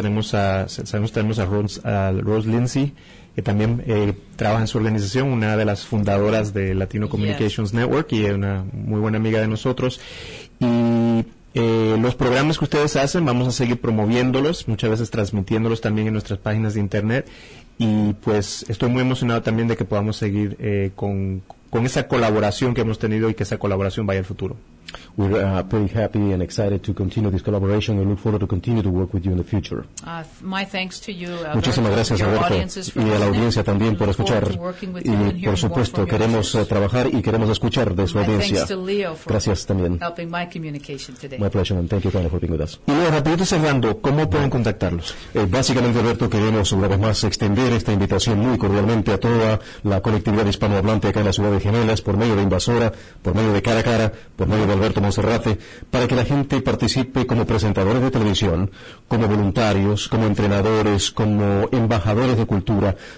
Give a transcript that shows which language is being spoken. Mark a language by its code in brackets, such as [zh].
[es] Tenemos a Rose Lindsay, que también trabaja en su organización, una de las fundadoras de Latino Communications Network y una muy buena amiga de nosotros. Y los programas que ustedes hacen, vamos a seguir promoviéndolos, muchas veces transmitiéndolos también en nuestras páginas de internet. Y pues estoy muy emocionado también de que podamos seguir con esa colaboración que hemos tenido y que esa colaboración vaya al futuro. [en] We're pretty happy and excited to continue this collaboration and look forward to continue to work with you in the future. My thanks to you, [es] muchísimas gracias, Alberto, y a la audiencia también por escuchar. Y, por supuesto, queremos trabajar y queremos escuchar de su audiencia. Gracias también. [en] My pleasure, and thank you, Tony, for being with us. [es] Y luego, rapidito cerrando, ¿cómo pueden contactarlos? Básicamente, Alberto, queremos una vez más extender esta invitación muy cordialmente a toda la colectividad hispanohablante acá en la ciudad de Gemelas, por medio de Invasora, por medio de Cara a Cara, por medio de Alberto Monserrate, para que la gente participe como presentadores de televisión, como voluntarios, como entrenadores, como embajadores de cultura.